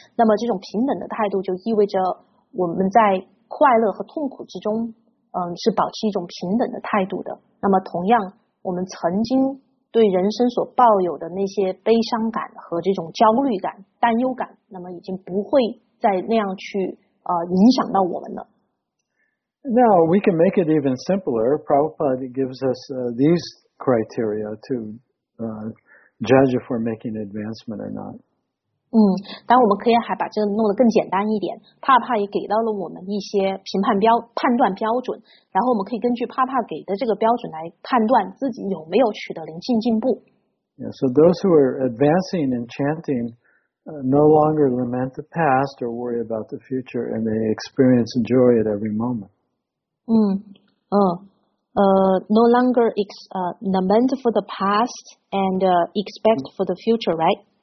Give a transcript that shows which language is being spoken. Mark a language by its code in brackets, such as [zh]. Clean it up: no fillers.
[zh] 那么这种平等的态度就意味着我们在快乐和痛苦之中，是保持一种平等的态度的。那么同样，我们曾经对人生所抱有的那些悲伤感和这种焦虑感、担忧感，那么已经不会再那样去影响到我们了。 [en] Now we can make it even simpler. Prabhupada gives us these criteria to judge if we're making advancement or not. [zh] 但我们可以还把这个弄得更简单一点。帕帕也给到了我们一些判断标准，然后我们可以根据帕帕给的这个标准来判断自己有没有取得灵性进步。 [en] Yeah, so those who are advancing and chanting no longer lament the past or worry about the future, and they experience joy at every moment. No longer lament for the past and expect for the future, right?